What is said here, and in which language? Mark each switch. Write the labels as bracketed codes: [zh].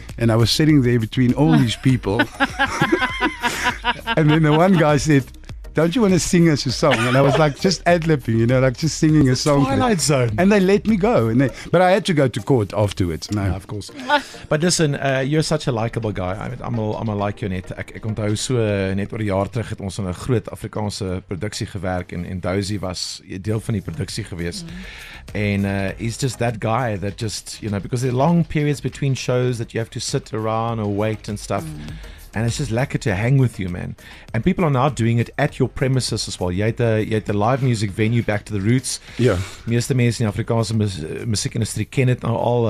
[en] And I was sitting there between all these people. And then the one guy said, don't you want to sing us a song? And I was like, just ad-libbing, you know, like just singing a song. Twilight Zone. And they let me go. But I had to go to court afterwards. No, yeah, of course. But listen, you're such a likable guy. I'm a like you net. [af] Ek onthou so net oor 'n jaar terug het ons aan 'n groot Afrikaanse produksie gewerk en Dozy was deel van die produksie gewees. [en] And he's just that guy that just, you know, because there are long periods between shows that you have to sit around or wait and stuff. Mm. And it's just lekker to hang with you, man. And people are now doing it at your premises as well. You had the live music venue Back to the Roots. Yeah. [af] Meeste mense in die Afrikaanse musiekindustrie ken dit nou al.